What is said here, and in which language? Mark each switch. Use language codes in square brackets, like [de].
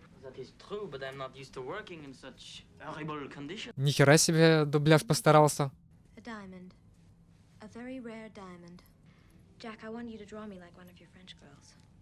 [en] That is true, but I'm not used to working in such horrible condition. [ru] Нихера себе дубляж постарался. [en] A diamond. A very rare diamond. Jack, I want you to draw me like one of your French girls.